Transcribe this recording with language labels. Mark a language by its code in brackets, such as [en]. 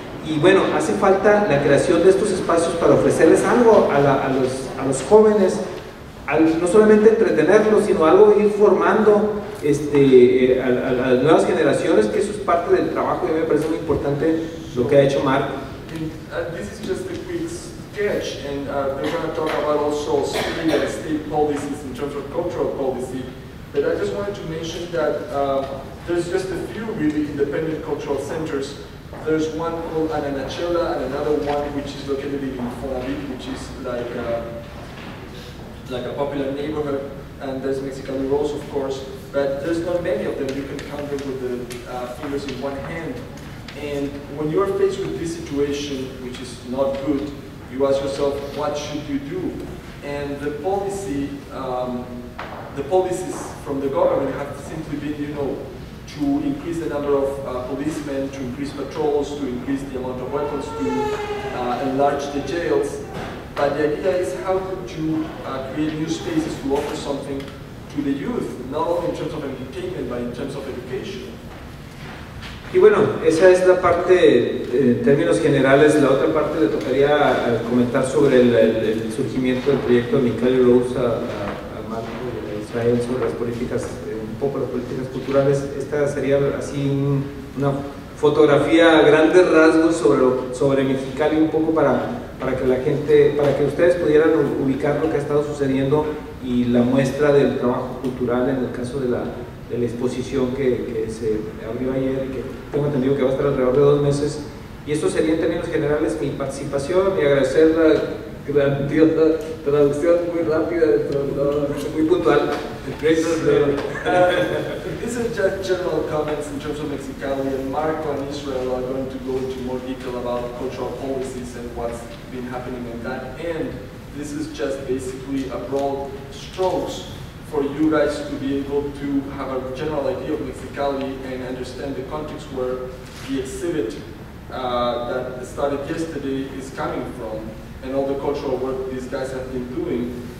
[es] Y bueno, hace falta la creación de estos espacios para ofrecerles algo a los jóvenes, no solamente entretenerlos, sino algo, ir formando a las nuevas generaciones, que eso es parte del trabajo, y a mí me parece muy importante lo que ha hecho Mark. [en] And this is just a quick sketch, and they're going to talk about also state policies in terms of cultural policy, but I just wanted to mention that there's just a few really independent cultural centers There's one called Ananachela and another one which is located in Infonavit, which is like a popular neighborhood. And there's Mexicali Rose, of course, but there's not many of them. You can count them with the fingers in one hand. And when you are faced with this situation, which is not good, you ask yourself, what should you do? And the policies from the government have simply been, you know, to increase the number of policemen, to increase patrols, to increase the amount of weapons, to enlarge the jails. But the idea is, how could you create new spaces to offer something to the youth, not only in terms of entertainment, but in terms of education? [es] Y bueno, esa es la parte, en términos generales. La otra parte le tocaría comentar sobre el surgimiento del proyecto de Mikali Rose a Marco y a Israel sobre las políticas, un poco las políticas culturales. Esta sería así una fotografía a grandes rasgos sobre Mexicali, un poco para que la gente, para que ustedes pudieran ubicar lo que ha estado sucediendo y la muestra del trabajo cultural en el caso de la exposición que se abrió ayer y que tengo entendido que va a estar alrededor de 2 meses. Y esto sería en términos generales mi participación, y agradecer la grandiosa traducción muy rápida, muy puntual. [en] These are just general comments in terms of Mexicali, and Marco and Israel are going to go into more detail about cultural policies and what's been happening in that. And this is just basically a broad strokes for you guys to be able to have a general idea of Mexicali and understand the context where the exhibit that started yesterday is coming from, and all the cultural work these guys have been doing.